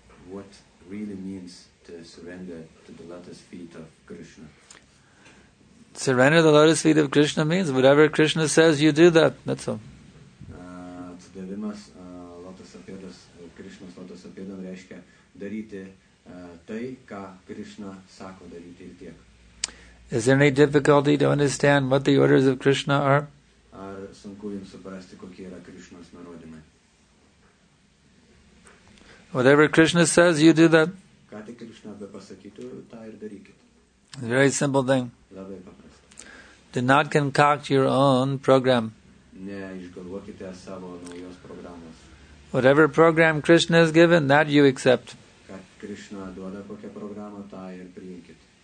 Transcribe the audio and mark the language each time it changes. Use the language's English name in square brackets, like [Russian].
[English] What really means to surrender to the lotus feet of Krishna? Surrender the lotus feet of Krishna means whatever Krishna says, you do that. That's all. [Lithuanian] Atsidavimas lotus apėdos, Krishna's lotus apėdom reiškia daryti tai, ką Krishna sako daryti ir tiek. [English] Is there any difficulty to understand what the orders of Krishna are? [Lithuanian] Ar sunku jums suprasti, kokie yra Krishna's nurodymai? [English] Whatever Krishna says, you do that. [Lithuanian] Ką tik Krishna bepasakytų, tą ir darykit. [English] It's a very simple thing. [Lithuanian] Labai paprasta. [English] Do not concoct your own program. [Lithuanian] Ne, išgalvokite savo naujos programos. [English] Whatever program Krishna has given, that you accept. [Lithuanian] Ką Krishna duoda kokią programą, tą ir priimkit.